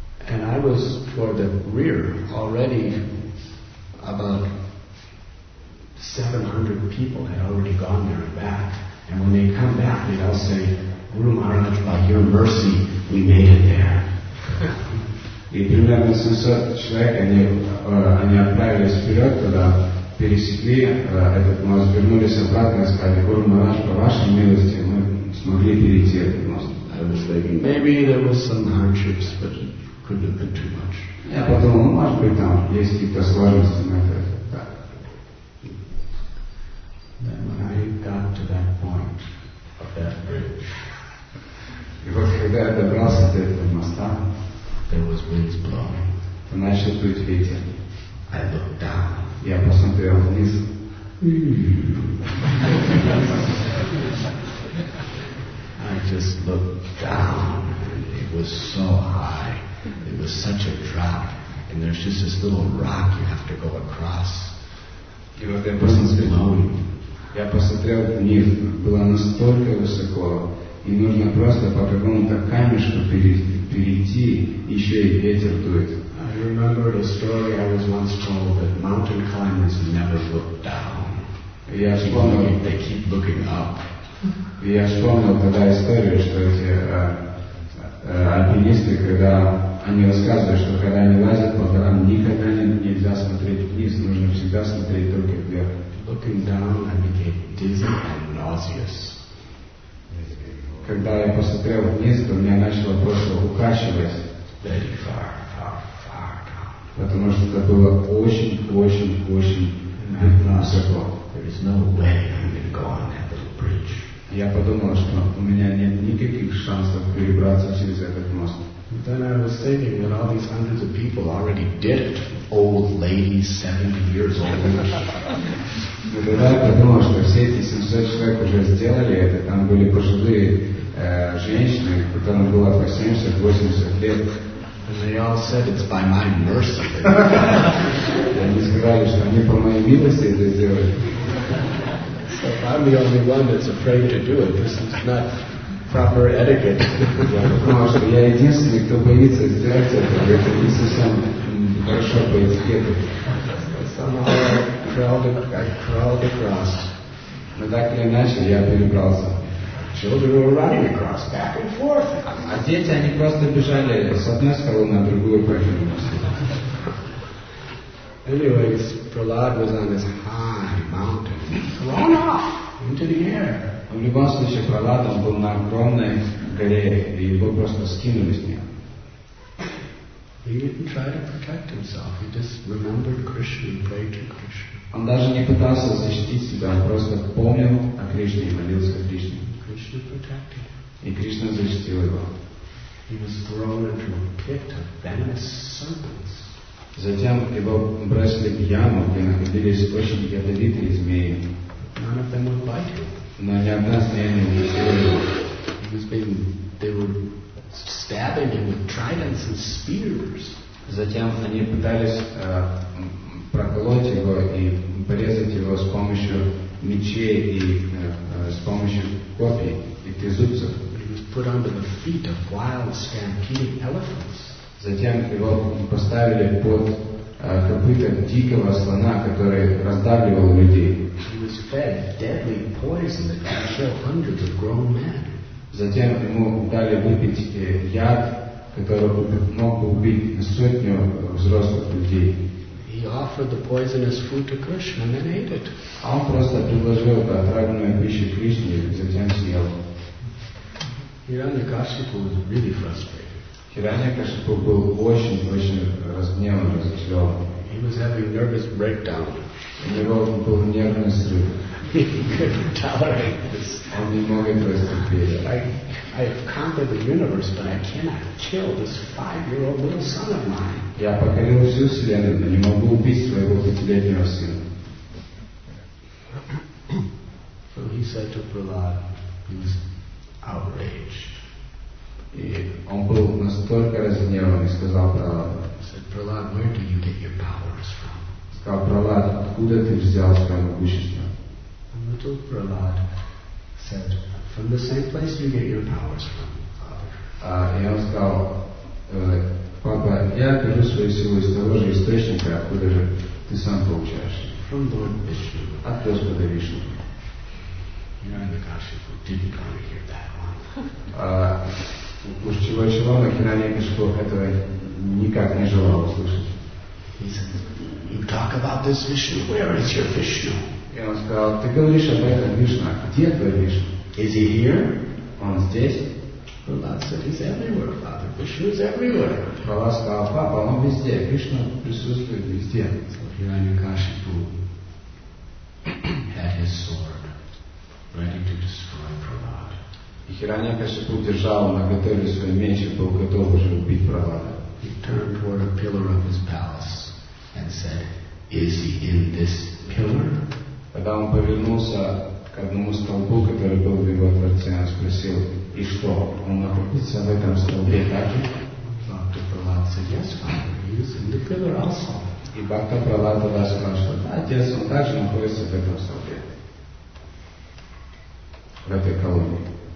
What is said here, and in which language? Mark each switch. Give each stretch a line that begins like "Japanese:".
English: And I was toward the rear already about 700 people had already gone there and back. And when they come back, they all say, Guru Maharaj, by your mercy, we made it there.
Russian: И примерно 700 человек, они отправились вперед туда, пересекли этот мост, вернулись обратно и сказали, Гуру Махарадж, по вашей милости, мы смогли перейти этот мост.
English: I was thinking, maybe there was some hardships, but it couldn't have been too much.
Russian: Я подумал, ну, может быть, там есть какие-то сложности на это.
English: Then when I got to that point of that bridge,
Russian: и вот когда я добрался до этого моста,
English: there was winds blowing.
Russian: То начал дуть ветер.
English: I looked down.
Russian: Я посмотрел вниз.
English: I just looked down, and it was so high. It was such a drop, and there's just this little rock you have to go across.
Russian: И вот я посмотрел вниз. Я посмотрел вниз, было настолько высоко, и нужно просто по какому-то камешку перейти, еще и ветер дует.
English: I remember a story I was once told that mountain climbers never look down.
Russian: Я вспомнил,
English: they keep looking up.
Russian: Я вспомнил тогда историю, что эти альпинисты, когда они рассказывают, что когда они лазят по горам, никогда нельзя смотреть вниз, нужно всегда смотреть только вверх.
English: Looking down, I became dizzy and nauseous.
Russian: Когда я посмотрел вниз, то меня начало просто укачивать.
English: Very far, far, far down.
Russian: Потому что это было очень высоко.
English: There is no way I'm going to go on that little bridge.
Russian: Я подумал, что у меня нет никаких шансов перебраться через этот мост.
English: But then I was thinking that all these hundreds of people already did it. Old lady, 70 years old.
Russian: Но тогда я подумал, что все эти 700 человек уже сделали это. Там были пожилые женщины, которым было по 70-80 лет.
English: And they all said, it's by my mercy.
Russian: Они сказали, что они по моей милости это сделали.
English: So if I'm the only one that's afraid to do it, this is not proper etiquette.
Russian: Потому что я единственный, кто боится сделать это. Это не совсем хорошо по этикету.
English: I crawled across.
Russian: Но так или иначе, я перебрался.
English: Children were running across, back and forth.
Russian: А дети, они просто бежали с одной скалы на другую по этому мосту.
English: Anyways, Prahlad was on this high mountain, thrown off into the air.
Russian: В любом случае, Прохлад был на огромной горе, и его просто скинули с нее.
English: He didn't try to protect himself. He just remembered Krishna and prayed to Krishna.
Russian: Он даже не пытался защитить себя, он просто помнил о Кришне и молился Кришне.
English: Krishna protected him.
Russian: И Кришна защитил его.
English: He was thrown into a pit of venomous serpents.
Russian: Затем его бросили в яму, где находились очень ядовитые змеи.
English: None of them would bite him.
Russian: Но ни одна змея не убила его.
English: He was being, they were stabbing him with tridents and spears.
Russian: Затем они пытались проколоть его и порезать его с помощью мечей и с помощью копий и тезубцев.
English: He was put under the feet of wild stampeding elephants.
Russian: Затем его поставили под копыта дикого слона, который раздавливал людей.
English: He was fed deadly poison that could kill hundreds of grown men.
Russian: Затем ему дали выпить яд, который мог убить сотню взрослых людей.
English: He He offered the poisonous food to Krishna and then ate it.
Russian: Он просто предложил отравленную пищу Кришне и затем съел.
English: Хираньякашипу was really frustrated.
Russian: Хираньякашипу был очень-очень разгневан, разочарован.
English: He was having nervous breakdown.
Russian: У него был нервный срыв.
English: He couldn't tolerate this. I have conquered the universe, but I cannot kill this five-year-old little son of mine.
Russian: Я покорил всю вселенную, но не могу убить своего пятилетнего сына.
English: So he said to Prahlad, he was outraged.
Russian: И он был настолько разгневан и сказал Прахладу.
English: Said Prahlad, where do you get your powers from?
Russian: Сказал Прахлад, откуда ты взял свое могущество?
English: Little Prahlad said, from the same place you get your powers from, Father.
Russian: He сказал, Папа, я беру свою силу из того же источника, откуда же ты сам получаешь.
English: From Lord Vishnu.
Russian: От Господа Вишну.
English: Хираньякашипу didn't want to hear that one.
Russian: Уж чего-чего, но Хираньякашипу этого никак не желал услышать.
English: He said, you talk about this Vishnu, where is your Vishnu?
Russian: И он сказал, ты говоришь об этом Вишна, где твой Вишна?
English: Is he here?
Russian: Он здесь.
English: Prahlad said, he's everywhere, Father. Vishnu is everywhere.
Russian: Prahlad сказал, Папа, он везде. Вишна присутствует везде.
English: So Хираньякашипу had his sword ready to destroy Prahlad.
Russian: И Хираньякашипу держал на готове свой меч и был готов уже убить Прахлада.
English: He turned toward a pillar of his palace and said, is he in this pillar?
Russian: Когда он повернулся к одному столбу, который был в его дворце, он спросил, и что, он находится в этом столбе, так ли?
English: Бхакта Прахлад said, yes, Father, he is in the pillar also.
Russian: И Бхакта Прахлад тогда сказал, что да, отец, он также находится в этом столбе, в этой колонии.